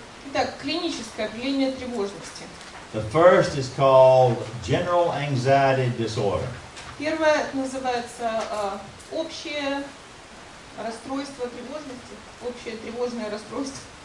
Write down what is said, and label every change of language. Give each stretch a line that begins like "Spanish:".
Russian: Итак, клиническое объявление тревожности.
English: The first is called general anxiety disorder.
Russian: Первое называется общее расстройство тревожности, общее тревожное расстройство.